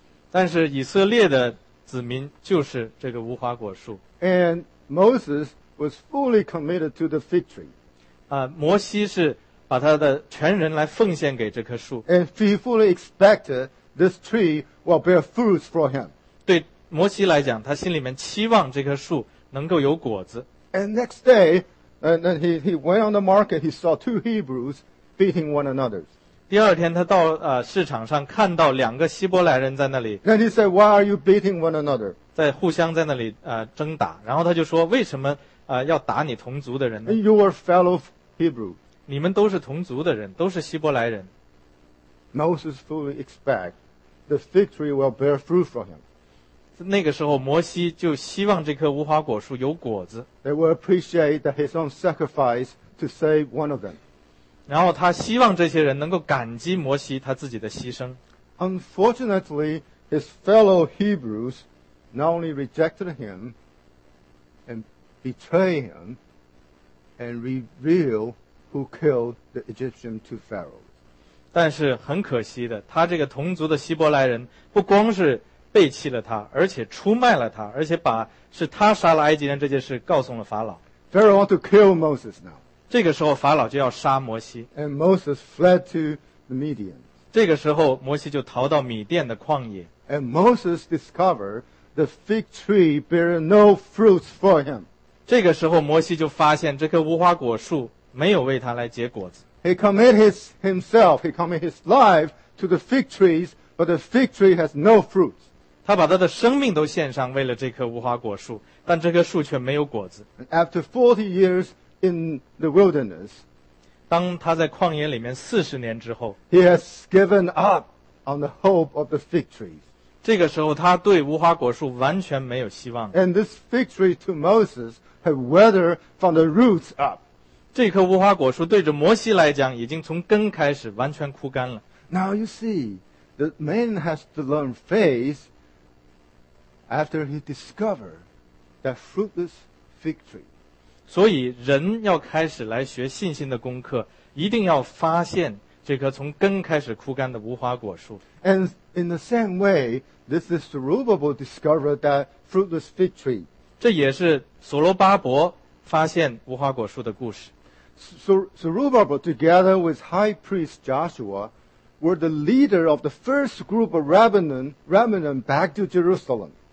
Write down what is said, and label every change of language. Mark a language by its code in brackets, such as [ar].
[zh] 但是以色列的子民就是这个无花果树。 [en] And Moses was fully committed to the fig tree. [zh] 摩西是把他的全人来奉献给这棵树。 [en] And he fully expected this tree will bear fruits for him. [zh] 对摩西来讲，他心里面期望这棵树能够有果子。 [en] And next day, and then he went on the market. He saw two Hebrews beating one another. [zh] 第二天，他到市场上看到两个希伯来人在那里。 [en] Then he said, "Why are you beating one another?" [zh] 在互相在那里争打。然后他就说，为什么要打你同族的人呢 [en] ？You are fellow Hebrew. [zh] 你们都是同族的人，都是希伯来人。 [en] Moses fully expect the fig tree will bear fruit for him. [zh] 那个时候，摩西就希望这棵无花果树有果子。 [en] They will appreciate his own sacrifice to save one of them. [zh] 然后他希望这些人能够感激摩西他自己的牺牲。 [en] Unfortunately, his fellow Hebrews not only rejected him and betrayed him and revealed who killed the Egyptian two pharaohs. [zh] 但是很可惜的，他这个同族的希伯来人不光是背弃了他，而且出卖了他，而且把是他杀了埃及人这件事告诉了法老。 [en] Pharaoh want to kill Moses now. [zh] 这个时候法老就要杀摩西。 [en] And Moses fled to the Midian. [zh] 这个时候摩西就逃到米甸的旷野。 [en] And Moses discovered the fig tree bear no fruits for him. [zh] 这个时候摩西就发现这棵无花果树没有为他来结果子。 [en] He committed himself, he committed his life to the fig trees, but the fig tree has no fruits. [zh] 他把他的生命都献上为了这棵无花果树，但这棵树却没有果子。 [en] And after 40 years in the wilderness, [zh] 当他在旷野里面40年之后, [en] he has given up on the hope of the fig trees. [zh] 这个时候他对无花果树完全没有希望。 [en] And this fig tree to Moses had withered from the roots up. [zh] 这棵无花果树对着摩西来讲已经从根开始完全枯干了。 [en] Now you see, the man has to learn faith after he discovered that fruitless fig tree. [zh] 所以人要开始来学信心的功课，一定要发现这棵从根开始枯干的无花果树。 [en] And in the same way, this is Zerubbabel discovered that fruitless fig tree. [zh] 这也是所罗巴伯发现无花果树的故事。 [en] Zerubbabel together with High Priest Joshua were the leader of the first group of remnant back to Jerusalem.